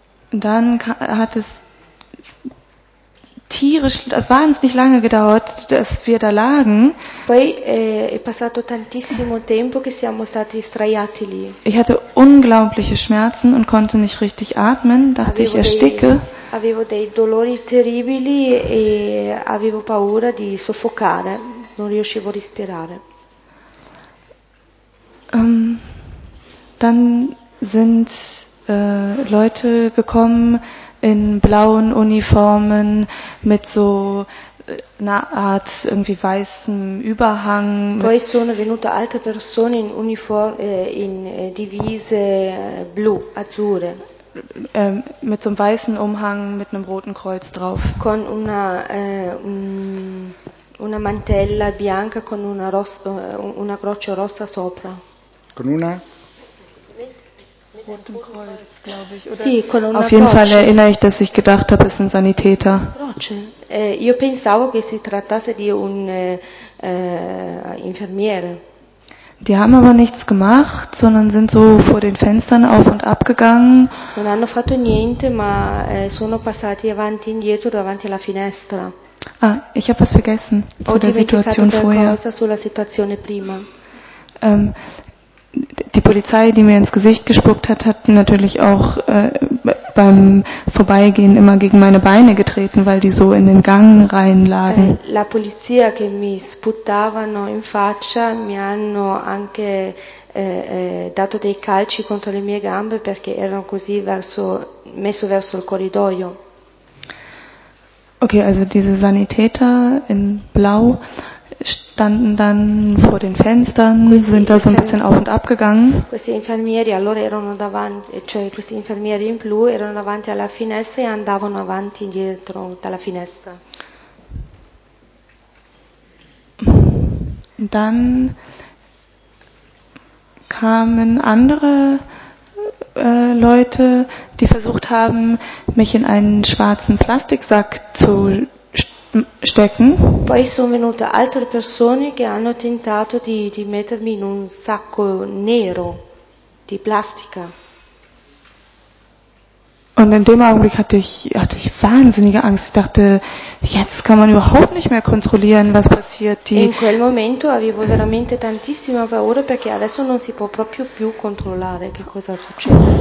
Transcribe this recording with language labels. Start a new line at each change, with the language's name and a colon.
German: Dann hat es tierisch, es war uns nicht lange gedauert, dass wir da lagen.
Italian: Poi è passato tantissimo tempo che siamo stati straiati lì.
German: Ich hatte unglaubliche Schmerzen und konnte nicht richtig atmen, dachte ich ersticke.
Italian: Avevo dei dolori terribili e avevo paura di soffocare, non riuscivo a respirare.
German: Dann sind Leute gekommen in blauen Uniformen mit so einer Art irgendwie weißem Überhang.
Italian: Poi sono venute altre persone in uniform in divise blu azzurre.
German: Mit so einem weißen Umhang mit einem roten Kreuz drauf.
Italian: Con una mantella bianca con una croce rossa sopra. Con una
German: Kreuz, glaube ich. Oder sì, auf jeden Fall erinnere ich, dass ich gedacht habe, es sind Sanitäter.
Italian: Io pensavo che si trattasse di un infermiere.
German: Die haben aber nichts gemacht, sondern sind so vor den Fenstern auf und ab gegangen.
Italian: Non hanno fatto niente, ma sono passati avanti e indietro davanti alla finestra.
German: Ah, ich habe was vergessen zu der Situation vorher.
Italian: Cosa sulla situazione prima.
German: Die Polizei, die mir ins Gesicht gespuckt hat, hat natürlich auch beim Vorbeigehen immer gegen meine Beine getreten, weil die so in den Gang reinlagen.
Italian: La polizia che mi sputtavano in faccia mi hanno anche dato dei calci contro le mie gambe perché erano così messo verso il corridoio.
German: Okay, also diese Sanitäter in blau standen dann vor den Fenstern, sind da so ein bisschen auf und ab gegangen.
Italian: Questi infermieri allora erano davanti, cioè questi infermieri in blu erano davanti alla finestra e andavano avanti indietro dalla finestra.
German: Dann kamen andere Leute, die versucht haben, mich in einen schwarzen Plastiksack zu stecken.
Italian: Poi sono venute altre persone che hanno tentato di mettermi in un sacco nero di plastica.
German: Und in dem Augenblick hatte ich wahnsinnige Angst. Ich dachte, jetzt kann man überhaupt nicht mehr kontrollieren, was passiert.
Italian: Die in quel momento avevo veramente tantissima paura perché adesso non si può proprio più controllare che cosa succede.